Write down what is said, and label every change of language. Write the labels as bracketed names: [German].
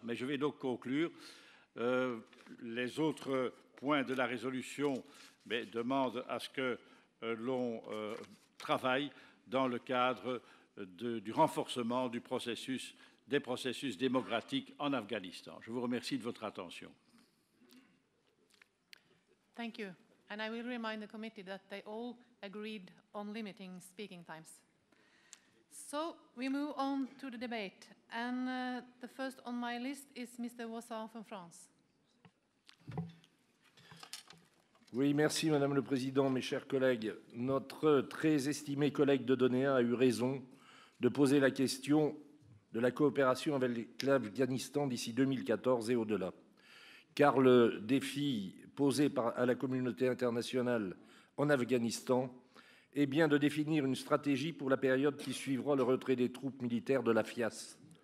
[French] Mais je vais donc conclure. Les autres points de la résolution demandent à ce que l'on travaille dans le cadre du renforcement des processus démocratiques en Afghanistan. Je vous remercie de votre attention. [English] Thank you. And I will remind the committee that they all agreed on limiting speaking times. So we move on to the debate. And the first on my list is Mr. Voisin from France. [French] Oui, merci, Madame le Président, mes chers collègues. Notre très estimé collègue de Donéa a eu raison de poser la question de la coopération avec l'Afghanistan d'ici 2014 et au-delà. Car le défi posé à la communauté internationale en Afghanistan est bien de définir une stratégie pour la période qui suivra le retrait des troupes militaires de la FIAS.